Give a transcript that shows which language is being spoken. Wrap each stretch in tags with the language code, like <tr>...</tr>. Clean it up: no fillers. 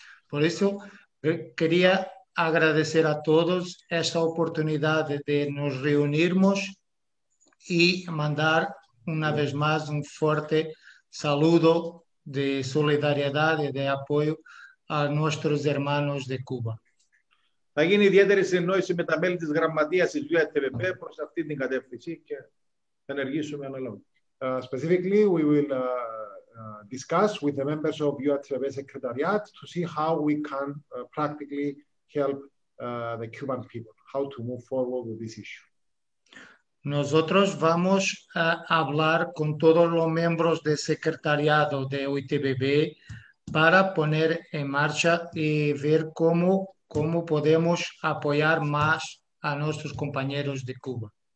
<pt>Por isso, queria agradecer a todos esta oportunidade de nos reunirmos e mandar, uma vez mais, forte saludo de solidariedade, de apoio a nossos irmãos de Cuba.</pt> <el>Θα γίνει ιδιαίτερη συνόηση με τα μέλη της γραμματείας της UITBB προς αυτή την κατεύθυνση και θα ενεργήσουμε αναλόγως.</el> <en>Specifically, we will discuss with the members of UITBB Secretariat to see how we can practically help the Cuban people, how to move forward with this issue.</en> <es>Nosotros vamos a hablar con todos los miembros del secretariado de UITBB para poner en marcha y ver cómo podemos apoyar más a nuestros compañeros de Cuba.</es>